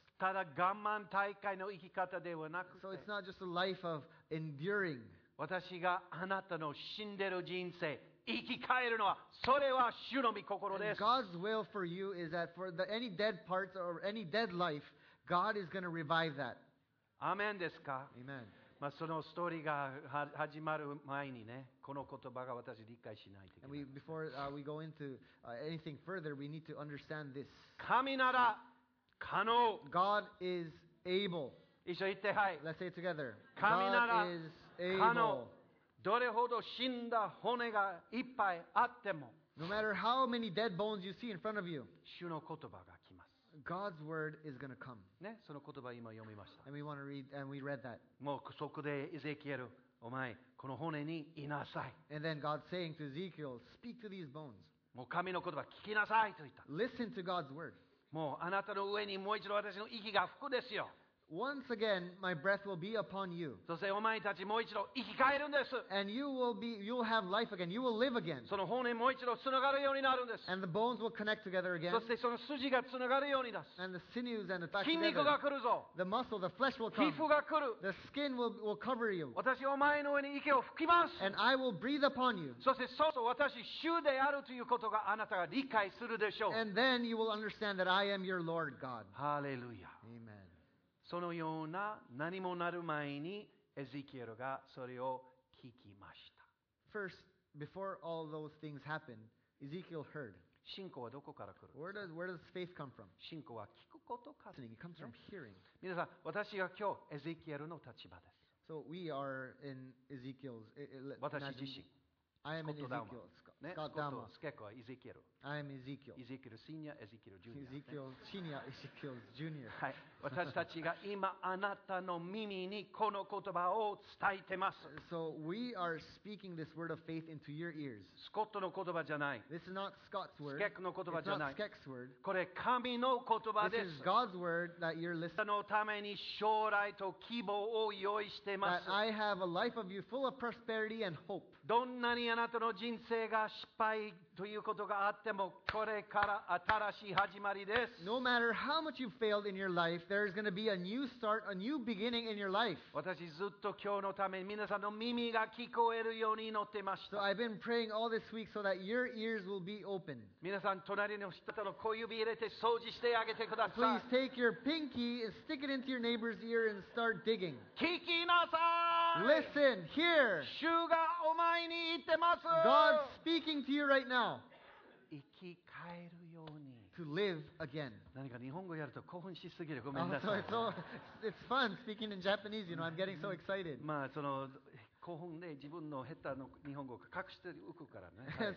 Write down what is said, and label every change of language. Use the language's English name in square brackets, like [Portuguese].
[Japanese] ただ我慢大会の生き方ではなくて [English] So it's not just a life of enduring. [Japanese] 私があなたの死んでる人生生き返るのはそれは主の御心です。 [English] God's will for you is that for the, any dead parts or any dead life, God is going to revive that. [Japanese] アーメンですか。 [English] Amen. [Japanese] まあそのストーリーが始まる前にね、この言葉が私理解しないといけない。 [English] And we, before we go into anything further, we need to understand this. [Japanese] 神なら可能。 [English] God is able. [Japanese] 一緒に言って、はい。 [English] Let's say it together. [Japanese] 神なら可能。どれほど死んだ骨がいっぱいあっても、 [English] No matter how many dead bones you see in front of you, [Japanese] 主の言葉が来ます。 [English] God's word is going to come. [Japanese] ね、その言葉今読みました。 [English] And we want to read, and we read that. [Japanese] もうそこでエゼキエル、お前この骨にいなさい。 [English] And then God's saying to Ezekiel, speak to these bones. [Japanese] もう神の言葉聞きなさいと言った。 [English] Listen to God's word. [Japanese] もうあなたの上にもう一度私の息が吹くですよ。 [English] Once again, my breath will be upon you. [Japanese] そしてお前たちもう一度生き返るんです。 [English] And you will be, you'll have life again. You will live again. [Japanese] その骨もう一度つながるようになるんです。 [English] And the bones will connect together again. [Japanese] そしてその筋がつながるようになる。 [English] And the sinews and the back together. [Japanese] 筋肉が来るぞ。 [English] The muscle, the flesh will come. [Japanese] 皮膚が来る。 [English] The skin will cover you. [Japanese] 私お前の上に息を吹きます。 [English] And I will breathe upon you. [Japanese] そしてそうそう私主であるということがあなたが理解するでしょう。 [English] And then you will understand that I am your Lord God. Hallelujah. Amen. [Japanese] そのような何もなる前にエゼキエルがそれを聞きました。 [English] First, before all those things happen, Ezekiel heard. [Japanese] 信仰はどこから来るんですか? [English] Where does faith come from? [Japanese] 信仰は聞くことから [English] 。 It comes from hearing. [Japanese] 皆さん、私が今日エゼキエルの立場です。 [English] So we are in Ezekiel's. [Japanese] 私自身。 [English] I am in Ezekiel. Scott Dama. [Japanese] スケコはエゼキエル。 [English] I am Ezekiel. [Japanese] エゼキエルシニア、エゼキエルジュニア。エゼキエルシニア、エゼキエルジュニア。はい。私たちが今あなたの耳にこの言葉を伝えてます。 [English] So we are speaking this word of faith into your ears. [Japanese] スコットの言葉じゃない。 [English] This is not Scott's word. [Japanese] スケコの言葉じゃない。 [English] It's not Skek's word. [Japanese] これ神の言葉です。 [English] This is God's word that you're listening. [Japanese] あなたのために将来と希望を用意してます。 [English] That I have a life of you full of prosperity and hope. [Japanese] どんなにあなたの人生が失敗ということがあっても、これから新しい始まりです。 [English] No matter how much you failed in your life, there is going to be a new start, a new beginning in your life. [Japanese] 私ずっと今日のために皆さんの耳が聞こえるように祈ってました。 [English] So I've been praying all this week so that your ears will be open. [Japanese] 皆さん隣の人との小指入れて掃除してあげてください。 [English] Please take your pinky and stick it into your neighbor's ear and start digging. [Japanese] 聞きなさい。 [English] Listen, hear. [Japanese] 主がお前に言ってます。 [English] God's speaking to you right now. [Japanese] 生き返るように。 [English] To live again. [Japanese] 何か日本語やると興奮しすぎる。ごめんなさい。 [English] Oh, so it's fun speaking in Japanese. You know, I'm getting so excited. [Japanese] まあその興奮で自分の下手の日本語を隠しておくからね。